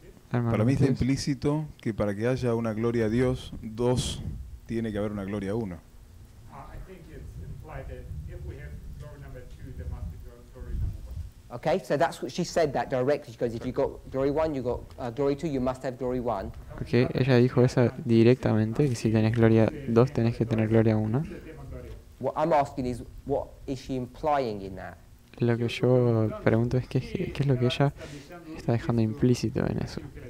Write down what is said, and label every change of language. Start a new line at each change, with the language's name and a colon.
Spanish: Para mí está implícito que para que haya una gloria a Dios, dos tiene que haber una gloria a uno.
English: I think it's implied that if we have glory number two, there must be glory number one. Okay, so that's what she said that directly. She goes, if you got glory one, you got glory two, you must have glory one.
Spanish: Okay, ella dijo esa directamente, que si tenés gloria dos, tenés que tener gloria una.
English: What I'm asking is, what is she implying in that?
Spanish: Lo que yo pregunto es qué es lo que ella está dejando implícito en eso.